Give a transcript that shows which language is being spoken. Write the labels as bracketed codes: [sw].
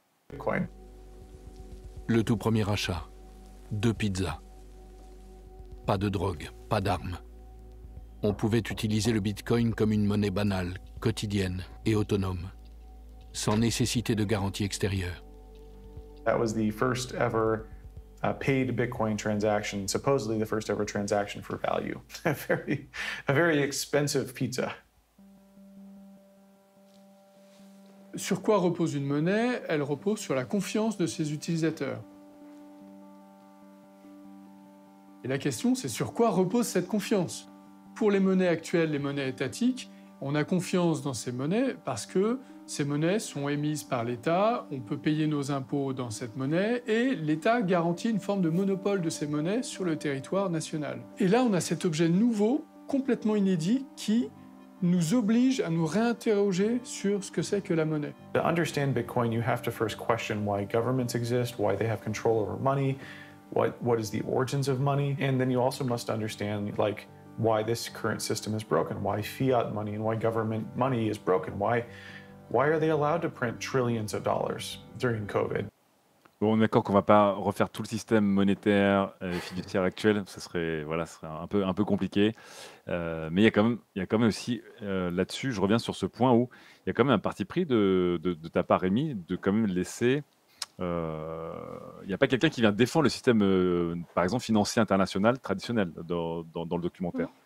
[fr] Bitcoin. Le tout premier achat, 2 pizzas. Pas de drogue, pas d'armes. On pouvait utiliser le bitcoin comme une monnaie banale, quotidienne et autonome, sans nécessité de garantie extérieure. [en] That was the first ever paid bitcoin transaction, supposedly the first ever transaction for value. A very expensive pizza. [fr] Sur quoi repose une monnaie? Elle repose sur la confiance de ses utilisateurs. Et la question, c'est sur quoi repose cette confiance? Pour les monnaies actuelles, les monnaies étatiques, on a confiance dans ces monnaies parce que ces monnaies sont émises par l'État, on peut payer nos impôts dans cette monnaie et l'État garantit une forme de monopole de ces monnaies sur le territoire national. Et là, on a cet objet nouveau, complètement inédit, qui nous oblige à nous réinterroger sur ce que c'est que la monnaie. [en] To understand Bitcoin, you have to first question why governments exist, why they have control over money, what is the origins of money, and then you also must understand like why this current system is broken, why fiat money and why government money is broken, why are they allowed to print trillions of dollars during COVID. [fr] Bon, on est d'accord qu'on va pas refaire tout le système monétaire et fiduciaire actuel, ça serait un peu compliqué. Mais il y a quand même aussi là-dessus, je reviens sur ce point où il y a quand même un parti pris de ta part, Rémi, de quand même laisser. Il n'y a pas quelqu'un qui vient défendre le système, par exemple, financier international traditionnel dans le documentaire.